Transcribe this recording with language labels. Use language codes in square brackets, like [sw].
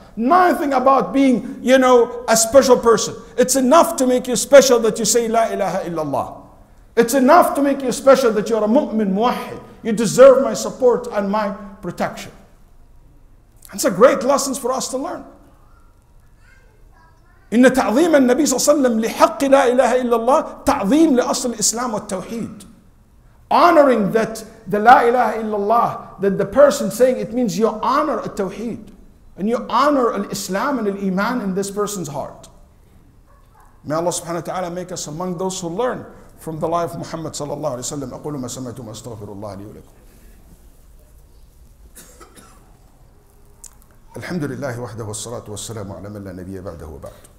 [en] Nothing about being, you know, a special person. It's enough to make you special that you say, [ar] La ilaha illallah. [en] It's enough to make you special that you're a mu'min, muwahid. You deserve my support and my protection. It's a great lesson for us to learn. [ar] إن تعظيم النبي صلى الله عليه وسلم لحق لا إله إلا الله تعظيم لأصل الإسلام والتوحيد. [en] Honoring that the [ar] لا إله إلا الله, [en] that the person saying it means you honor التوحيد and you honor الإسلام and الإيمان in this person's heart. May Allah [ar] subhanahu wa ta'ala [en] make us among those who learn from the life of Muhammad [ar] صلى الله عليه وسلم. أقول ما سمعت وما استغفر الله لي ولكم. الحمد لله وحده والصلاة والسلام على من لا نبي بعده وبعد.